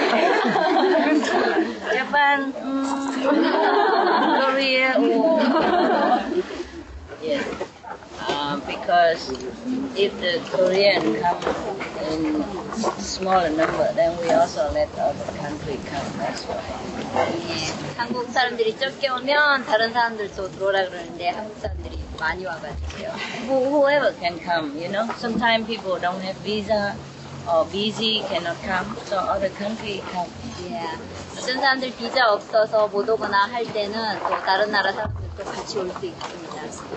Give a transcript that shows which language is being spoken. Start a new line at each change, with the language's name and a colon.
English: Japan, Korea, yes, because if the Korean come in smaller number, then we also let other country come, that's why.
Korean: 한국 사람들이 적게 오면 다른 사람들도 들어오라 그러는데 한국 사람들이 많이 와가지고요.
English: Whoever can come, you know, sometimes people don't have visa or busy cannot come, so other country come. Yeah.
Korean: 어떤 사람들 비자 없어서 못 오거나 할 때는 또 다른 나라 사람들도 같이 올 수 있습니다.